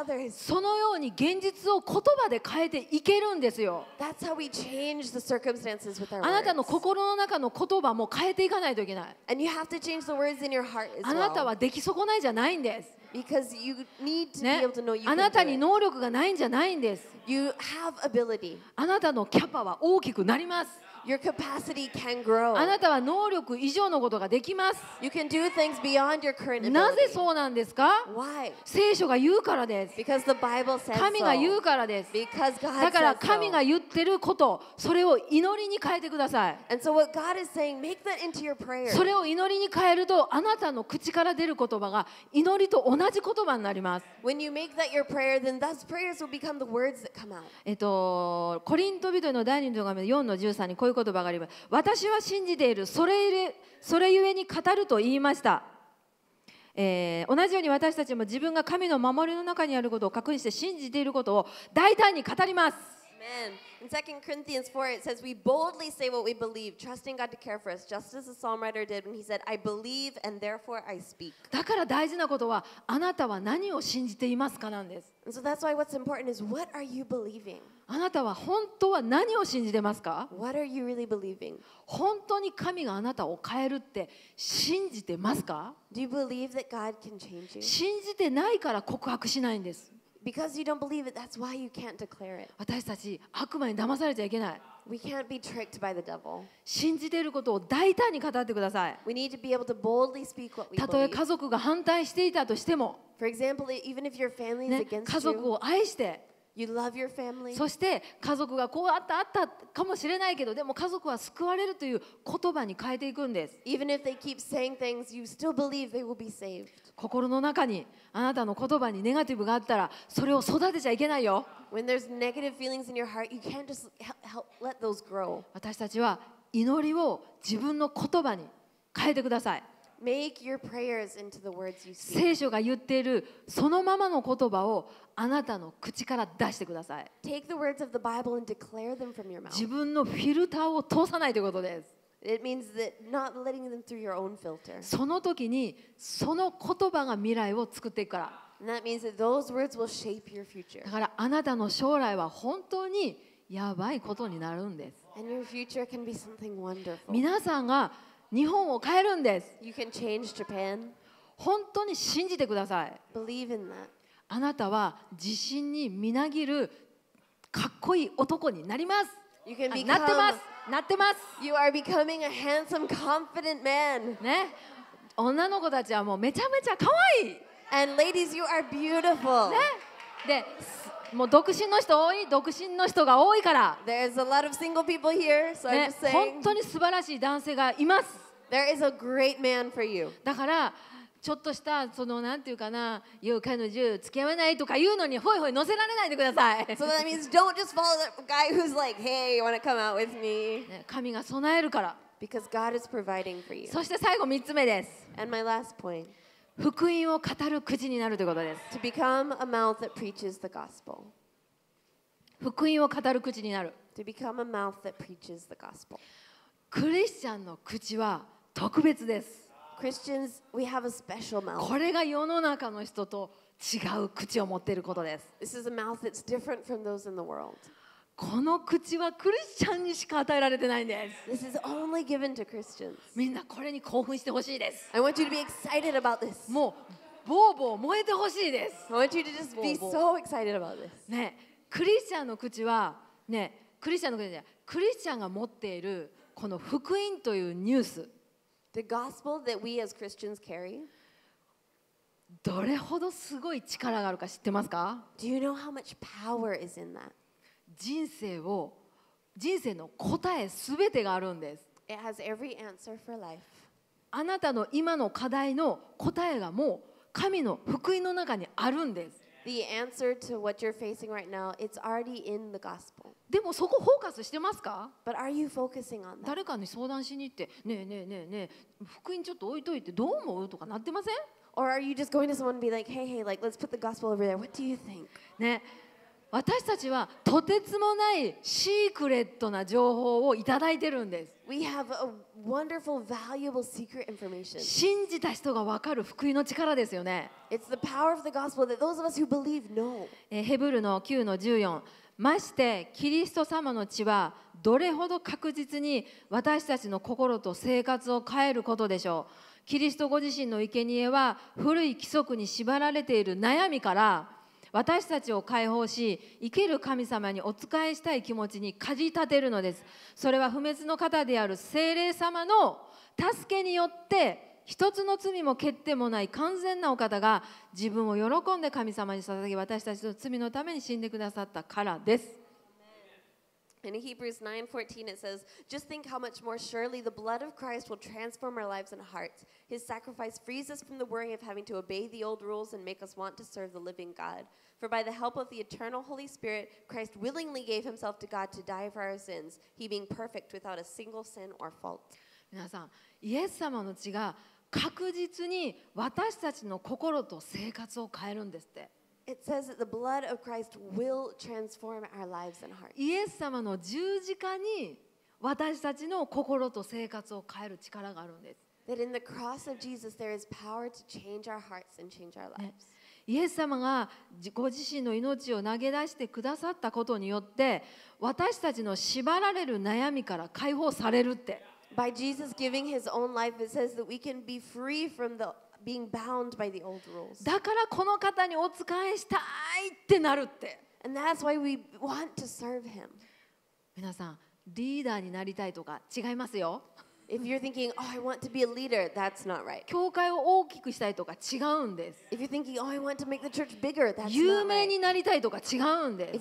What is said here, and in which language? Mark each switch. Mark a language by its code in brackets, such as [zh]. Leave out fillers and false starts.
[ja] そのように現実を言葉で変えていけるんですよ。 [en] That's how we change the circumstances with our words. [ja] あなたの心の中の言葉も変えていかないといけない。 [en] And you have to change the words in your heart as well. [ja] あなたはでき損ないじゃないんです。 [en] Because you need to be able to know you can do it. [ja] あなたに能力がないんじゃないんです。 [en] You have ability. [ja] あなたのキャパは大きくなります。 [en] Your capacity can grow. [ja] あなたは能力以上のことができます。 [en] You can do things beyond your current ability. [ja] なぜそうなんですか？ [en] Why? [ja] 聖書が言うからです。 [en] Because the Bible says so. [ja] 神が言うからです。 [en] Because God says so. [ja] だから神が言ってること、それを祈りに変えてください。 [en] And so what God is saying, make that into your prayer. [ja] それを祈りに変えると、あなたの口から出る言葉が祈りと同じ言葉になります。 [en] When you make that your prayer, then those prayers will become the words that come out. [ja] コリント人への第二の手紙4の13にこういう言葉があります。私は信じている、それゆえに語ると言いました、同じように私たちも自分が神の守りの中にあることを確認して信じていることを大胆に語ります。 [en] In 2 Corinthians 4, it says, We boldly say what we believe, trusting God to care for us, just as the psalm writer did when he said, I believe and therefore I speak. [ja] だから大事なことは、あなたは何を信じていますかなんです。 [en] So that's why what's important is, what are you believing? [ja] あなたは本当は何を信じてますか? [en] What are you really believing? [ja] 本当に神があなたを変えるって信じてますか? [en] Do you believe that God can change you? [ja] 信じてないから告白しないんです。 [en] Because you don't believe it, that's why you can't declare it. [ja] 私たち悪魔に騙されちゃいけない。 [en] We can't be tricked by the devil. [ja] 信じていることを大胆に語ってください。 [en] We need to be able to boldly speak what we believe. [ja] たとえ家族が反対していたとしても、 [en] For example, even if your family is against you, [ja] 家族を愛して、 [en] You love your family. [ja] そして家族がこうあったあったかもしれないけど、でも家族は救われるという言葉に変えていくんです。 [en] Even if they keep saying things, you still believe they will be saved. [ja] 心の中にあなたの言葉にネガティブがあったらそれを育てちゃいけないよ。 [en] When there's negative feelings in your heart, you can't just help let those grow. [ja] 私たちは祈りを自分の言葉に変えてください。 [en] Make your prayers into the words you speak. [ja] 聖書が言っているそのままの言葉をあなたの口から出してください。 [en] Take the words of the Bible and declare them from your mouth. [ja] 自分のフィルターを通さないということです。 [en] It means that not letting them through your own filter. [ja] その時にその言葉が未来を作っていくから。 [en] And that means that those words will shape your future. [ja] だからあなたの将来は本当にやばいことになるんです。 [en] And your future can be something wonderful. [ja] 皆さんが日本を変えるんです。 [en] You can change Japan. [ja] 本当に信じてください。 [en] Believe in that. [ja] あなたは自信にみなぎるかっこいい男になります。 [en] You can become [ja] なってます。なってます。 [en] You are becoming a handsome, confident man. [ja] ね、女の子たちはもうめちゃめちゃ可愛い。 [en] And ladies, you are beautiful. [ja] ね、で、もう独身の人多い、独身の人が多いから。 [en] There's a lot of single people here, so I'm just saying. [ja] 本当に素晴らしい男性がいます。 [en] There is a great man for you. [ja] だから。ちょっとしたそのなんていうかな、誘拐の銃付き合わないとか言うのにホイホイ乗せられないでください。 [en] So that means don't just follow that guy who's like, hey, you wanna come out with me? [ja] 神が備えるから。 [en] Because God is providing for you. [ja] そして最後3つ目です。 [en] And my last point. [ja] 福音を語る口になるということです。 [en] To become a mouth that preaches the gospel. [ja] 福音を語る口になる。 [en] To become a mouth that preaches the gospel. [ja] クリスチャンの口は特別です。 [en] Christians, we have a special mouth. [ja] これが世の中の人と違う口を持っていることです。 [en] This is a mouth that's different from those in the world. [ja] この口はクリスチャンにしか与えられてないんです。 [en] This is only given to Christians. [ja] みんなこれに興奮してほしいです。 [en] I want you to be excited about this. [ja] もうボーボー燃えてほしいです。 [en] I want you to just be so excited about this. [ja] ね、クリスチャンの口はね、クリスチャンの口じゃない、クリスチャンが持っているこの福音というニュース。 [en] The gospel that we as Christians carry. [ja] どれほどすごい力があるか知ってますか？ [en] Do you know how much power is in that? [ja] 人生の答え全てがあるんです。 [en] It has every answer for life. [ja] あなたの今の課題の答えがもう神の福音の中にあるんです。 [en] The answer to what you're facing right now, it's already in the gospel. [ja] でもそこフォーカスしてますか？ [en] But are you focusing on that? [ja] 誰かに相談しに行って、ねえねえねえねえ、福音ちょっと置いといてどう思うとかなってません？ [en] Or are you just going to someone and be like, hey, hey, like, let's put the gospel over there. What do you think? [ja] ね、私たちはとてつもないシークレットな情報をいただいてるんです。 [en] We have a wonderful, valuable secret information. [ja] 信じた人がわかる福音の力ですよね。 [en] It's the power of the gospel that those of us who believe know. [ja] ヘブルの 9-14 ましてキリスト様の血はどれほど確実に私たちの心と生活を変えることでしょう。キリストご自身の生贄は古い規則に縛られている悩みから私たちを解放し生ける神様にお仕えしたい気持ちに駆り立てるのです。それは不滅の方である聖霊様の助けによって一つの罪も欠点もない完全なお方が自分を喜んで神様に捧げ私たちの罪のために死んでくださったからです。 [en] In Hebrews 9:14 it says, Just think how much more surely the blood of Christ will transform our lives and hearts. His sacrifice frees us from the worry of having to obey the old rules and make us want to serve the living God. For by the help of the eternal Holy Spirit, Christ willingly gave himself to God to die for our sins, he being perfect without a single sin or fault. [ja] 皆さん、イエス様の血が確実に私たちの心と生活を変えるんですって。 [en] It says that the blood of Christ will transform our lives and hearts. [ja] イエス様の十字架に私たちの心と生活を変える力があるんです。 [en] That in the cross of Jesus there is power to change our hearts and change our lives. [ja] イエス様がご自身の命を投げ出してくださったことによって私たちの縛られる悩みから解放されるって。 [en] By Jesus giving his own life, it says that we can be free from the being bound by the old rules. [ja] だからこの方にお仕えしたいってなるって。 [en] And that's why we want to serve him. [ja] 皆さん、リーダーになりたいとか違いますよ。 [en] If you're thinking, oh, I want to be a leader, that's not right. [ja] 教会を大きくしたいとか違うんです。 [en] If you're thinking, oh, I want to make the church bigger, that's not right. [ja] 有名になりたいとか違うんです。